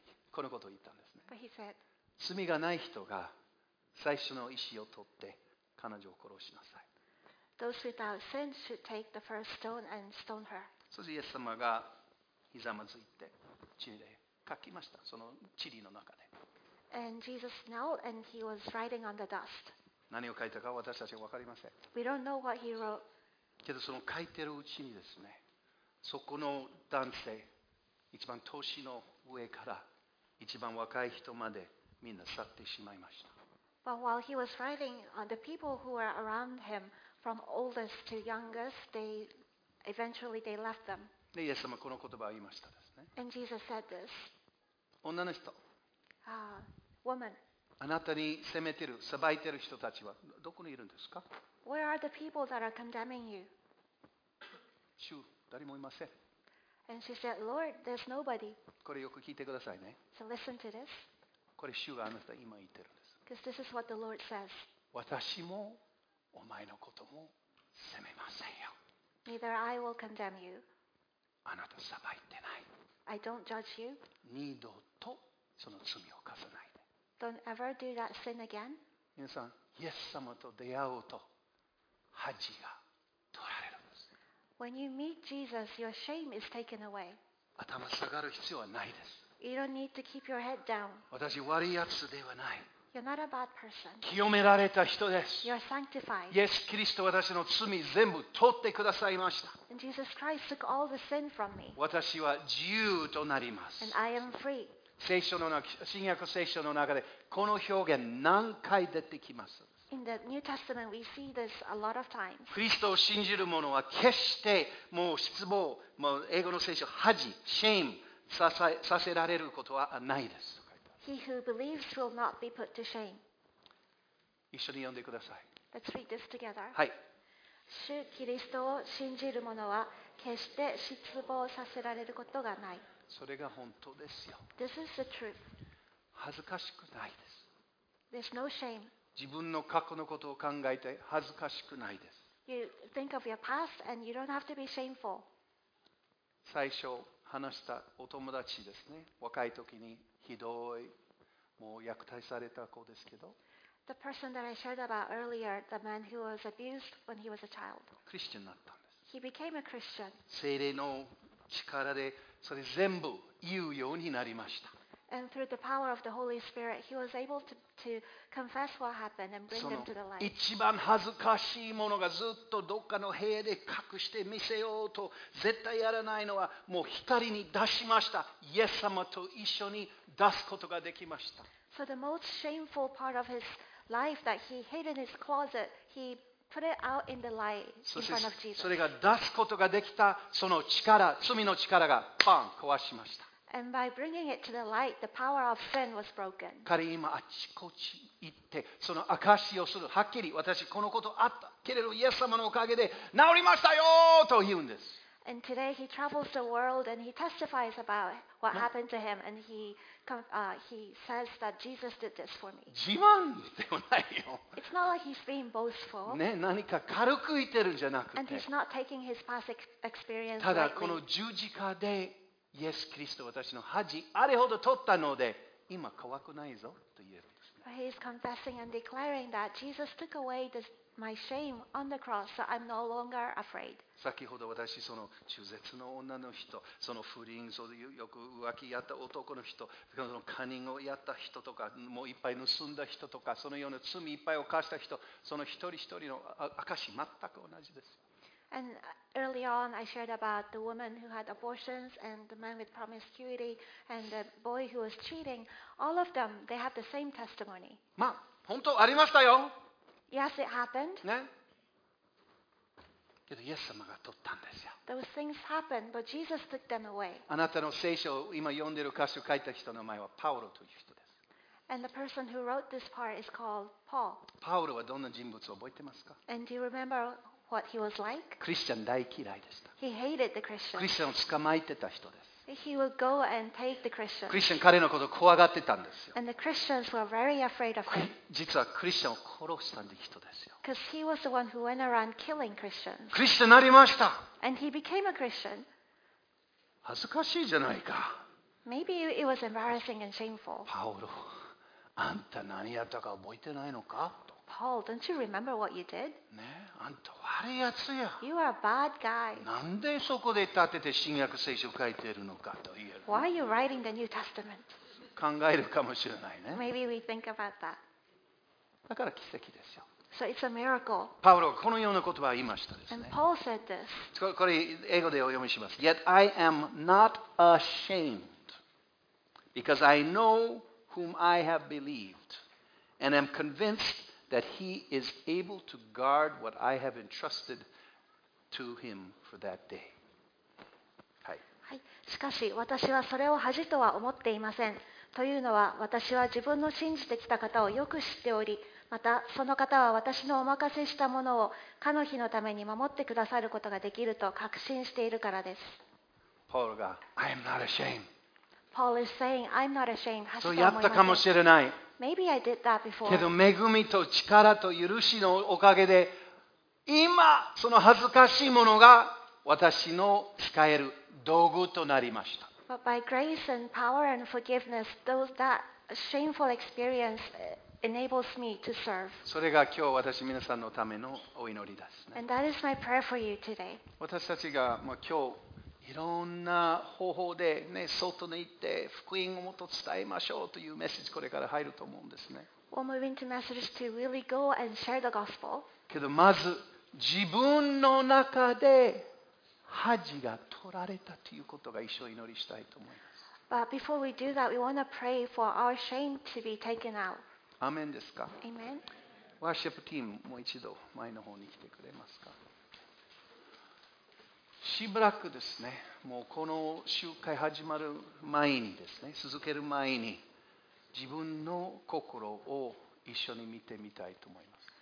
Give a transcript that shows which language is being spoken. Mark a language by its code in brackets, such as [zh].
[ja] このことを言ったんですね。 [en] But he said, [ja] 罪がない人が最初の石を取って彼女を殺しなさい。 [en] Those without sin should take the first stone and stone her. [ja] そしてイエス様がひざまずいて地で書きました。その塵の中で。 [en] And Jesus knelt and he was writing on the dust. [ja] 何を書いたか私たちは分かりません。 [en] We don't know what he wrote. [ja] けどその書いてるうちにですね、そこの男性、一番年の上から一番若い人までみんな去ってしまいました。 [en] But while he was writing, the people who were around him, from oldest to youngest, they eventually left them. [ja] で、イエス様この言葉を言いましたですね。 [en] And Jesus said this. [ja] 女の人。 [en] Woman. [ja] あなたに責めてる、裁いてる人たちはどこにいるんですか？ [en] Where are the people that are condemning you? [ja] 主、誰もいません。 [en] And she said, Lord, there's nobody. [ja] これよく聞いてくださいね。 [en] So listen to this. [ja] これ主があなた今言ってるんです。 [en] Because this is what the Lord says. [ja] 私もお前のことも責めませんよ。 [en] Neither I will condemn you. [ja] あなた裁いてない。 [en] I don't judge you. [ja] 二度とその罪を犯さない。 [en] Don't ever do that sin again. [ja] 皆さん、イエス様と出会うと恥が取られるんです。 [en] When you meet Jesus, your shame is taken away. [ja] 頭下がる必要はないです。 [en] You don't need to keep your head down. [ja] 私悪いやつではない。 [en] You're not a bad person. [ja] 清められた人です。 [en] You're sanctified. [ja] イエス・キリスト、私の罪全部取ってくださいました。 [en] And Jesus Christ took all the sin from me. [ja] 私は自由となります。 [en] And I am free. [ja] 聖書の中、新約聖書の中でこの表現何回出てきます？ [en] In the New Testament, we see this a lot of times. [ja] クリストを信じる者は決してもう失望、もう英語の聖書、恥、shame させられることはないです。 [en] He who believes will not be put to shame. [ja] 一緒に読んでください。 [en] Let's read this together. [ja] はい。主キリストを信じる者は決して失望させられることがない。それが本当ですよ。 [en] This is the truth. [ja] 恥ずかしくないです。 [en] There's no shame. [ja] 自分の過去のことを考えて恥ずかしくないです。 [en] You think of your past and you don't have to be shameful. [ja] 最初、話したお友達ですね。若い時にひどい、もう虐待された子ですけど。 [en] The person that I shared about earlier, the man who was abused when he was a child. [ja] クリスチャンになったんです。 [en] He became a Christian. [ja] 聖霊の力でそれ全部言うようになりました。 [en] And through the power of the Holy Spirit, he was able to confess what happened and bring them to the light. [ja] 一番恥ずかしいものがずっとどっかの部屋で隠して見せようと絶対やらないのはもう光に出しました。イエス様と一緒に出すことができました。 [en] So the most shameful part of his life that he hid in his closet, he put it out in the light in front of Jesus. [ja] それが出すことができたその力、罪の力がパン壊しました。 [en] And by bringing it to the light, the power of sin was broken. [ja] 彼今あちこち行ってその証をする。はっきり私このことあったけれどイエス様のおかげで治りましたよと言うんです。 [en] And today he travels the world and he testifies about what happened to him and he says that Jesus did this for me. [ja] 自慢ではないよ。 [en] It's not like he's being boastful. [ja] ね、何か軽く言ってるんじゃなくて。 [en] And he's not taking his past experience lightly. [ja] ただこの十字架で。イエス・キリスト私の恥あれほど取ったので今怖くないぞと言えるんですね。 [en] He is confessing and declaring that Jesus took away my shame on the cross, so I'm no longer afraid. [ja] 先ほど私その中絶の女の人、その不倫、そういうよく浮気やった男の人、そのカンニングをやった人とか、もういっぱい盗んだ人とか、そのような罪いっぱい犯した人、その一人一人の証全く同じです。 [en] And early on, I shared about the woman who had abortions and the man with promiscuity and the boy who was cheating. All of them, they have the same testimony. [ja] まあ、本当ありましたよ。 [en] Yes, it happened. [ja] ね。けどイエス様が取ったんですよ。 [en] Those things happened, but Jesus took them away. [ja] あなたの聖書を今読んでる箇所書いた人の名前はパウロという人です。 [en] And the person who wrote this part is called Paul. [ja] パウロはどんな人物を覚えてますか？ [en] And do you remember? What he was like? [ja] クリスチャン大嫌いでした。 [en] He hated the Christians. [ja] クリスチャンを捕まえてた人です。 [en] He would go and take the Christians. [ja] クリスチャン彼のことを怖がってたんですよ。 [en] And the Christians were very afraid of him. [ja] 実はクリスチャンを殺した人ですよ。 [en] Because he was the one who went around killing Christians. [ja] クリスチャンになりました。 [en] And he became a Christian. [ja] 恥ずかしいじゃないか。 [en] Maybe it was embarrassing and shameful. [ja] パウロ、あんた何やったか覚えてないのか？ [en] Paul, don't you remember what you did? [ja] ね、あんた悪いやつや。 [en] You are a bad guy. [ja] なんでそこで立てて新約聖書を書いてるのかと言える。 [en] Why are you writing the New Testament? [ja] 考えるかもしれないね。 [en] Maybe we think about that. [ja] だから奇跡ですよ。 [en] So it's a miracle. [ja] パウロはこのような言葉を言いましたですね。 [en] And Paul said this. [ja] これ英語でお読みします。 [en] Yet I am not ashamed, because I know whom I have believed, and am convinced. That he is able to guard what I have entrusted to him for that day. [ja] はい。はい。しかし私はそれを恥とは思っていません。というのは私は自分の信じてきた方をよく知っており、またその方は私のお任せしたものを彼の日のために守ってくださることができると確信しているからです。 [en] パウロが、I am not ashamed. Paul is saying, I'm not ashamed. [ja] そうやったかもしれない。 [en] Maybe I did that before. [ja] けど恵みと力と許しのおかげで今その恥ずかしいものが私の使える道具となりました。 [en] But by grace and power and forgiveness, those that shameful experience enables me to serve. [ja] それが今日私皆さんのためのお祈りですね。 [en] And that is my prayer for you today. [ja] 私たちが今日いろんな方法で、ね、外に行って福音をもっと伝えましょうというメッセージこれから入ると思うんですね。 [en] We're moving to message to really go and share the gospel. [ja] けどまず自分の中で恥が取られたということが一緒に祈りしたいと思います。 [en] But before we do that, we want to pray for our shame to be taken out. [ja] アメンですか。 [en] Amen. [ja] ワーシップティームもう一度前の方に来てくれますか。しばらくですね、もうこの集会始まる前にですね、続ける前に自分の心を一緒に見てみたいと思います。